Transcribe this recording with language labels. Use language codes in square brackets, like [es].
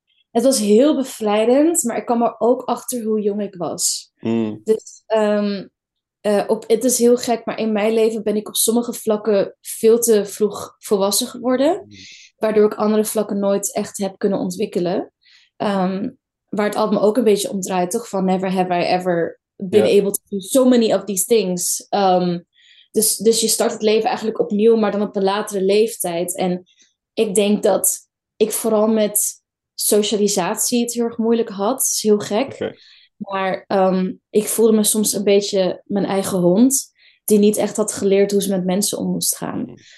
[nl] Het was heel bevrijdend, maar ik kwam er ook achter hoe jong ik was. Dus het is heel gek, maar in mijn leven ben ik op sommige vlakken veel te vroeg volwassen geworden, waardoor ik andere vlakken nooit echt heb kunnen ontwikkelen. Waar het album ook een beetje om draait, toch? Van [en] never have I ever been able to do so many of these things. [nl] Dus je start het leven eigenlijk opnieuw, maar dan op een latere leeftijd. En ik denk dat ik vooral met socialisatie het heel erg moeilijk had. Dat is heel gek. Maar ik voelde me soms een beetje mijn eigen hond, die niet echt had geleerd hoe ze met mensen om moest gaan.